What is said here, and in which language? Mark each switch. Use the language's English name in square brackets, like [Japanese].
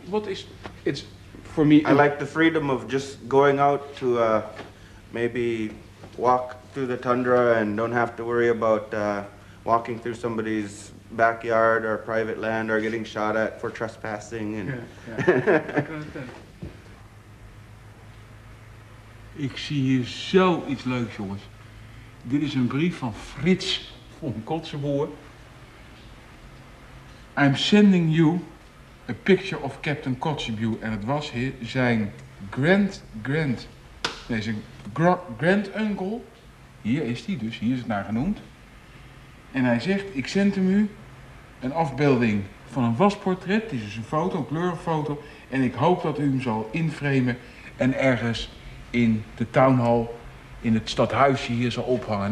[English] What is it's for me? I like the freedom of just going out to maybe walk through the tundra and don't have to worry about walking through somebody's backyard or private land or getting shot at for trespassing. And yeah. [Dutch] Ik zie hier zoiets leuks, jongens. Dit is een brief van Frits van Kotzenboer. [English] I'm sending you a picture of Captain Kotzebue. [Dutch] En het was zijn [English] grand uncle. [Dutch] Hier is hij dus, hier is het naar genoemd. En hij zegt, ik zend hem u een afbeelding van een wasportret. Dit is dus een foto, een kleurfoto. En ik hoop dat u hem zal inframen en ergens in de [English] town hall, [Dutch] in het stadhuisje hier zal ophangen.